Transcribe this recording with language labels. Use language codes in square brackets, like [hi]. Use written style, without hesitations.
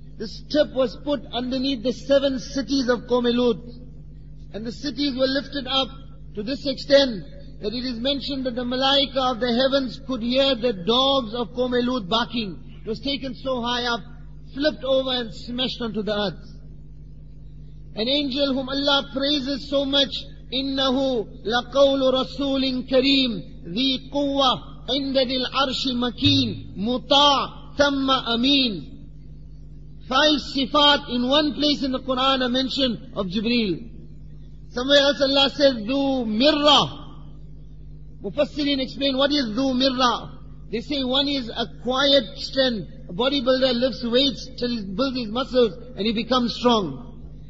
[en] This tip was put underneath the 7 cities of Qawme Lut. And the cities were lifted up to this extent that it is mentioned that the malaika of the heavens could hear the dogs of Qawme Lut barking. It was taken so high up, flipped over and smashed onto the earth. An angel whom Allah praises so much, [ar] إِنَّهُ لَقَوْلُ رَسُولٍ كَرِيمٍ ذِي قُوَّةٍ عِنْدَ ذِي الْعَرْشِ مَكِينٍ مُطَاعٍ ثَمَّ أَمِينٍ. [en] 5 sifat in one place in the Quran are mentioned of Jibreel. Somewhere else Allah says, [ar] ذُو مِرَّةٍ. [en] Mufassirin explain, what is dhu mirra? They say one is a quiet strength. A bodybuilder lifts weights till he builds his muscles and he becomes strong.